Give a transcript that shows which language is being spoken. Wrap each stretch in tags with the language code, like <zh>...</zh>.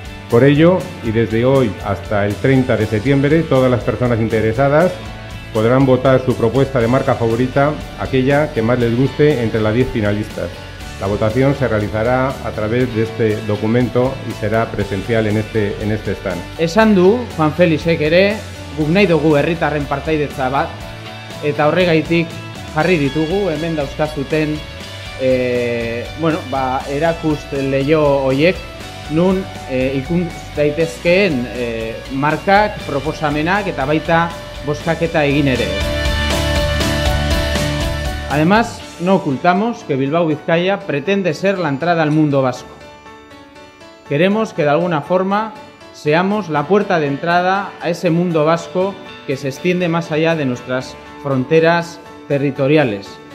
<es>Por ello, y desde hoy hasta el 30 de septiembre, todas las personas interesadas podrán votar su propuesta de marca favorita, aquella que más les guste entre las 10 finalistas. La votación se realizará a través de este documento y será presencial en este stand.</es> <eu>Esan du, Juan Felixek ere, guk nahi dugu herritarren partaidetza bat, eta horregaitik jarri ditugu, hemen dauzkazuten, erakusleio horiek, nun ikus daitezkeen markak, proposamenak eta baita bozkaketa egin ere.</eu> <es>Además, no ocultamos que Bilbao Vizcaya pretende ser la entrada al mundo vasco. Queremos que de alguna forma seamos la puerta de entrada a ese mundo vasco que se extiende más allá de nuestras fronteras territoriales.</es>